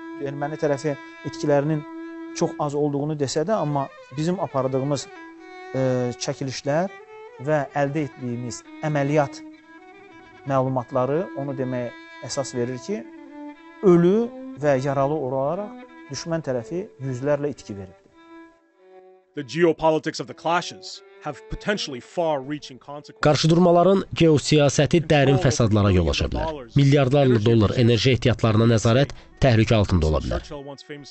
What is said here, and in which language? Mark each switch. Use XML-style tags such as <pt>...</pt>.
<az>Erməni tərəfi etkilərinin çox az olduğunu desə də, amma bizim apardığımız çəkilişlər və əldə etdiyimiz əməliyyat məlumatları onu deməyə əsas verir ki, ölü və yaralı olaraq düşmən tərəfi yüzlərlə itki veribdir.</az> <en>The geopolitics of the clashes have potentially far-reaching consequences.</en> <az>Qarşıdurmaların geosiyasəti dərin fəsadlara yol aça bilər. Milyardlarla dollar enerji ehtiyatlarına nəzarət təhlükə altında ola bilər.</az>